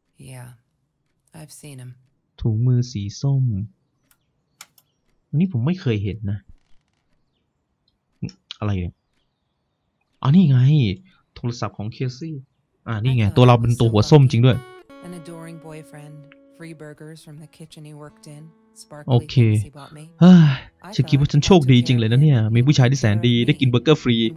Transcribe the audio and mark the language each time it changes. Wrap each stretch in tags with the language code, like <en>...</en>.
<en>Yeah I've seen him</en> <th>ถุงมือสีส้มอันนี้ผมไม่เคยเห็นนะอะไรเนี่ยอันนี้ไงโทรศัพท์ของเคซี่อ่านี่ไงตัวเราเป็นตัวหัวส้มจริงด้วย</th> <en>An adoring boyfriend free burgers from the kitchen he worked in</en> <th>โอเคเฮ้ยฉันคิดว่าฉันโชคดีจริงเลยนะเนี่ยมีผู้ชายที่แสนดีได้กินเบอร์เกอร์ฟรี</th>